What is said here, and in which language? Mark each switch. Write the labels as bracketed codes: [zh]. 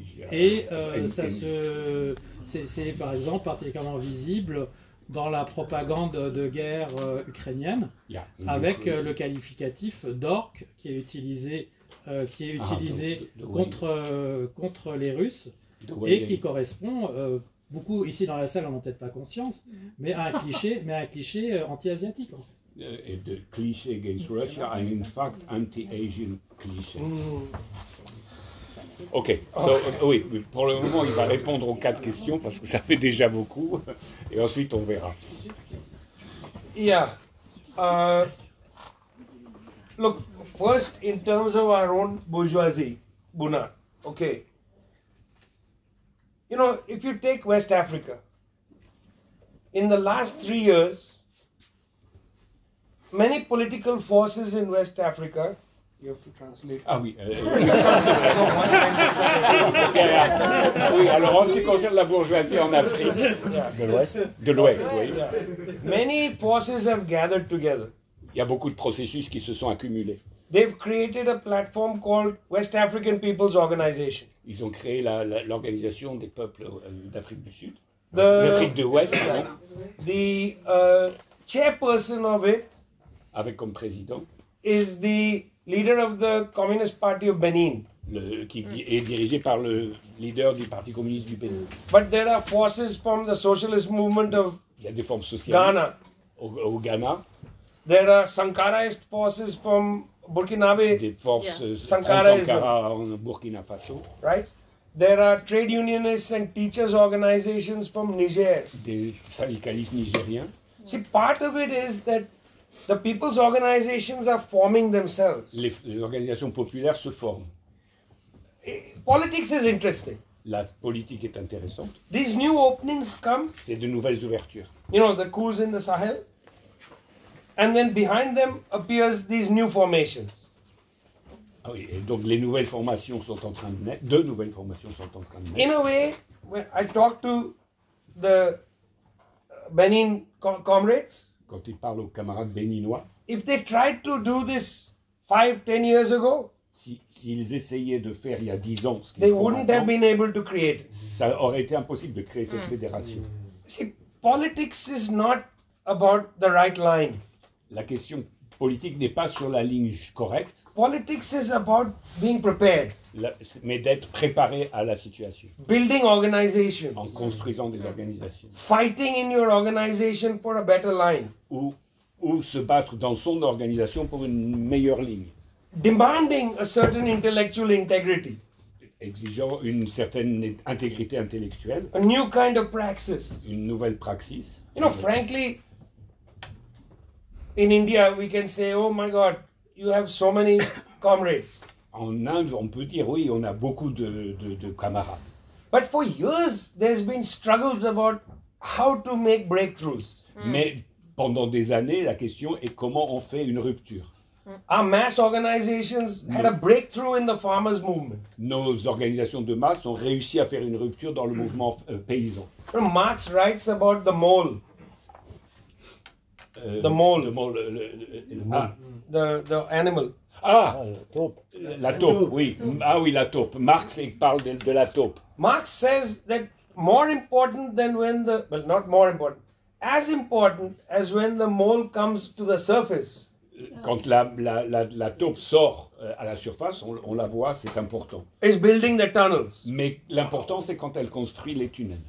[fr] Et ça c'est par exemple particulièrement visible dans la propagande de guerre ukrainienne, avec le qualificatif d'orc qui est utilisé contre les Russes et qui correspond beaucoup ici dans la salle, on n'en a peut-être pas conscience, mais à un cliché, anti-asiatique. En fait. [en] The cliché against Russia and in fact anti-Asian cliché. Ok, so, oui, pour le moment il va répondre aux quatre questions parce que ça fait déjà beaucoup et ensuite on verra. Yeah. Look, first in terms of our own bourgeoisie, Buna, okay. You know, if you take West Africa, in the last 3 years, many political forces in West Africa, you have to translate. [fr] Ah oui. Oui, alors en ce qui concerne la bourgeoisie en Afrique. [en] Yeah. [fr] De l'Ouest, oui. [en] Many forces have gathered together. [fr] Il y a beaucoup de processus qui se sont accumulés. [en] They've created a platform called West African People's Organization. [fr] Ils ont créé l'organisation des peuples d'Afrique du Sud. L'Afrique de l'Ouest. [en] The chairperson of it, [fr] avec comme président, [en] is the leader of the Communist Party of Benin. [fr] Est dirigé par le leader du Parti communiste du Bénin. [en] But there are forces from the socialist movement of [fr] Ghana. Il y a des forces socialistes au Ghana. [en] There are Sankaraist forces from Burkinabé. [fr] Des forces Sankara en Burkina Faso. [en] Right? There are trade unionists and teachers organizations from Niger. [fr] Des syndicalistes nigériens. [en] See, part of it is that The people's organizations are forming themselves. [fr] Les organisations populaires se forment. [en] Politics is interesting. [fr] La politique est intéressante. [en] These new openings come. [fr] C'est de nouvelles ouvertures. [en] You know, the coups in the Sahel. And then behind them appears these new formations. [fr] Ah oui, et donc les nouvelles formations sont en train de naître. Deux nouvelles formations sont en train de naître. [en] In a way, when I talk to the Benin comrades. [fr] Quand ils parlent aux camarades béninois. [en] If they tried to do this 5-10 years ago. [fr] S'ils essayaient de faire il y a 10 ans ce qu'ils font maintenant, [en] been able to create. [fr] Ça aurait été impossible de créer cette fédération. [en] See, politics is not about the right line. [fr] La question politique n'est pas sur la ligne correcte. [en] Politics is about being prepared. [fr] Mais d'être préparé à la situation. [en] Building organizations. [fr] En construisant des organisations. [en] Fighting in your organization for a better line. [fr] Ou se battre dans son organisation pour une meilleure ligne. [en] Demanding a certain intellectual integrity. [fr] Exigeant une certaine intégrité intellectuelle. [en] A new kind of praxis. [fr] Une nouvelle praxis. [en] You know, frankly, in India, we can say, oh my God, you have so many comrades. [fr] En Inde, on peut dire, oui, on a beaucoup de camarades. [en] But for years, there's been struggles about how to make breakthroughs. Mm. [fr] Mais pendant des années, la question est comment on fait une rupture. [en] Our mass organizations had a breakthrough in the farmers' movement. [fr] Nos organisations de masse ont réussi à faire une rupture dans le mouvement paysan. [en] Marx writes about the mole. The mole. The mole. The animal. [fr] Ah, la taupe. Oui. Ah oui, la taupe. Marx parle de la taupe. [en] Marx says that more important than when the, well, not more important, as important as when the mole comes to the surface. [fr] Quand la taupe sort à la surface, on la voit, c'est important. [en] It's building the tunnels. [fr] Mais l'important, c'est quand elle construit les tunnels.